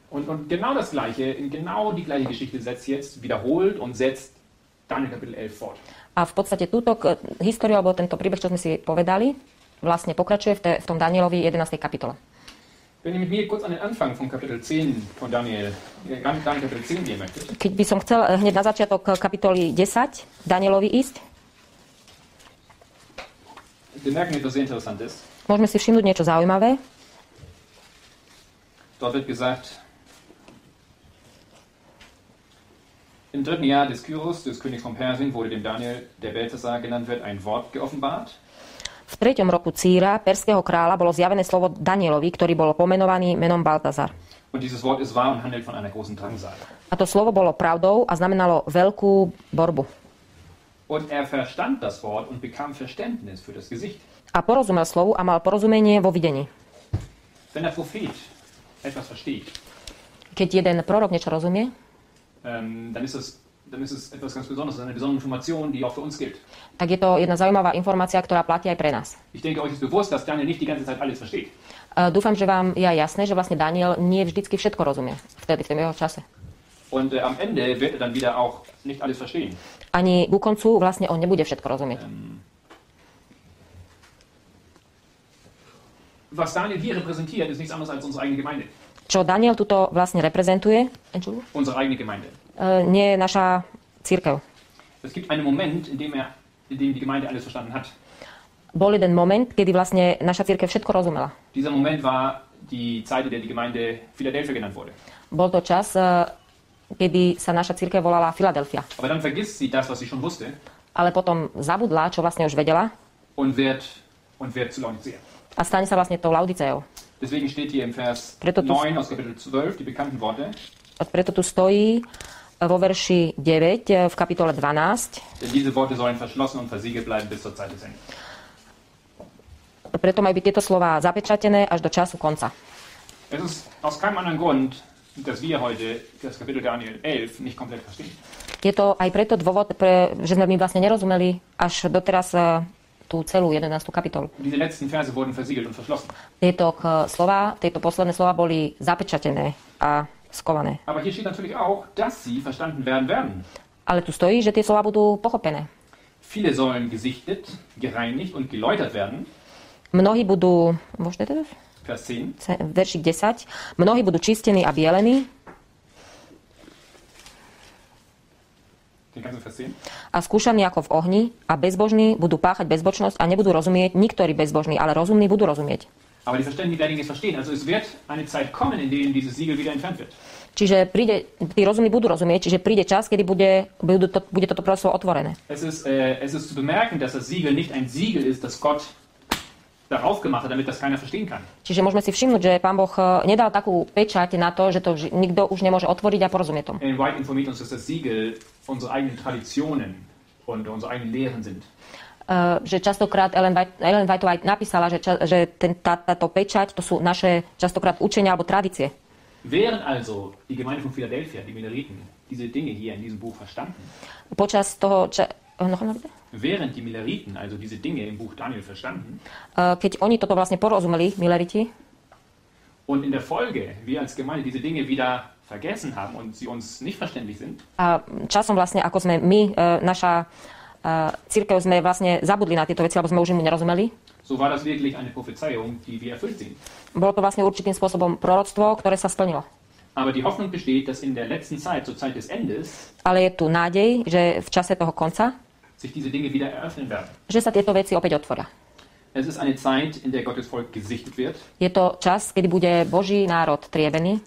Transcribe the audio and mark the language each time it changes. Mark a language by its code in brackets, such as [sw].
[de] Und genau das gleiche, genau die gleiche Geschichte setzt jetzt wiederholt und setzt dann in Kapitel 11 fort. [sk] A v podstate túto históriu alebo tento príbeh, čo sme si povedali, vlastne pokračuje v tom Danielovi 11. kapitole. [de] Wenn ihr mit mir kurz an den Anfang von Kapitel 10 von Daniel, dann Kapitel 10 gehen möchtet. [sk] Keď by som chcel hneď na začiatok kapitoly 10 Danielovi ísť. [de] Wir merken etwas sehr Interessantes. [sk] Môžeme si všimnúť niečo zaujímavé. [de] Dort wird gesagt, im dritten Jahr des Kyros, des Königs von Persien, wurde dem Daniel, der Belteshazzar genannt wird, ein Wort geoffenbart. [sk] V treťom roku Círa, perského kráľa, bolo zjavené slovo Danielovi, ktorý bol pomenovaný menom Baltazar. [de] Und dieses Wort ist wahr und handelt von einer großen Drangsal. [sk] A to slovo bolo pravdou a znamenalo veľkú borbu. [de] Und er verstand das Wort und bekam Verständnis für das Gesicht. [sk] A porozumel slovu a mal porozumenie vo videní. [de] Wenn der Prophet etwas versteht, [sk] keď jeden prorok niečo rozumie, [de] dann ist es etwas ganz Besonderes, eine besondere Information, die auch für uns gilt. [sk] Tak je to jedna zaujímavá informácia, ktorá platí aj pre nás. [de] Ich denke, euch ist bewusst, dass Daniel nicht die ganze Zeit alles versteht. [sk] Dúfam, že vám je jasné, že vlastne Daniel nie vždycky všetko rozumie vtedy, v tom jeho čase. [de] Und am Ende wird er dann wieder auch nicht alles verstehen. [sk] Ani ku koncu vlastne on nebude všetko rozumieť. [de] Was Daniel hier repräsentiert, ist nichts anderes als unsere eigene Gemeinde. [sk] Čo Daniel tuto vlastne reprezentuje? [de] Unsere eigene Gemeinde. [sk] Nie naša cirkev. [de] Es gibt einen Moment, in dem die Gemeinde alles verstanden hat. [sk] Bol jeden moment, kedy vlastne naša cirkev všetko rozumela. [de] Dieser Moment war die Zeit, in der die Gemeinde Philadelphia genannt wurde. [sk] Bol to čas, kedy sa naša cirkev volala Philadelphia. [de] Aber dann vergisst sie das, was sie schon wusste. [sk] Ale potom zabudla, čo vlastne už vedela. [de] Und wird zu Laodicea. [sk] A stane sa vlastne tou Laodiceou. [de] Deswegen steht hier im Vers 9 aus Kapitel 12 die bekannten Worte. [sk] A preto tu stojí vo verši 9 v kapitole 12. [de] Denn diese Worte sollen verschlossen und versiegelt bleiben bis zur Zeit des Endes. [sk] Preto majú byť tieto slová zapečatené až do času konca. [de] Es ist aus keinem anderen Grund, dass wir heute das Kapitel Daniel 11 nicht komplett verstehen. [sk] Je to aj preto dôvod, že sme my vlastne nerozumeli až doteraz tú celú 11. kapitolu. [de] Diese letzten Verse wurden versiegelt und verschlossen. [sk] Tieto posledné slova boli zapečatené a skované. [de] Aber hier steht natürlich auch, dass sie verstanden werden. [sk] Ale tu stojí, že tie slova budú pochopené. [de] Viele sollen gesichtet, gereinigt und geläutert werden. [sk] Mnohí budú, [de] Vers 10. [sk] Veršik 10. Mnohí budú čistení a bielení. A skúšaní ako v ohni a bezbožní budú páchať bezbožnosť a nebudú rozumieť, niektorí bezbožní, ale rozumní budú rozumieť. [de] Aber die Verständigen werden es verstehen. Also es wird eine Zeit kommen, in denen dieses Siegel wieder entfernt wird. [sk] Čiže príde, tí rozumní budú rozumieť, čiže príde čas, kedy bude toto prorokstvo otvorené. [de] Es ist zu bemerken, dass das Siegel nicht ein Siegel ist, das Gott darauf gemacht hat, damit das keiner verstehen kann. [sk] Čiže môžeme si všimnúť, že Pán Boh nedal takú pečať na to, že to nikto už nemôže otvoriť a porozumieť tomu. [de] And White informiert uns, dass das Siegel unsere eigenen Traditionen und unsere eigenen Lehren sind. [sk] Že častokrát Ellen White aj napísala, že táto pečať, to sú naše častokrát učenia alebo tradície. [de] Während also die Gemeinde von Philadelphia, die Mileriten, diese Dinge hier in diesem Buch verstanden. [sk] Počas toho, [de] noch einmal bitte? Während die Mileriten also diese Dinge im Buch Daniel verstanden. [sk] Keď oni toto vlastne porozumeli, Mileriti. [de] Und in der Folge, wir als Gemeinde diese Dinge wieder vergessen haben und sie uns nicht verständlich sind. [sk] A časom vlastne, ako sme my, naša cirkev sme vlastne zabudli na tieto veci, alebo sme už im nerozumeli. [de] So war das wirklich eine Prophezeiung, die wir erfüllt sehen. [sk] Bolo to vlastne určitým spôsobom proroctvo, ktoré sa splnilo. [de] Aber die Hoffnung besteht, dass in der letzten Zeit, zur Zeit des Endes, [sk] ale je tu nádej, že v čase toho konca, [de] sich diese Dinge wieder eröffnen werden. [sk] Že sa tieto veci opäť otvoria. [de] Es ist eine Zeit, in der Gottes Volk gesichtet wird. [sk] Je to čas, kedy bude Boží národ triebený,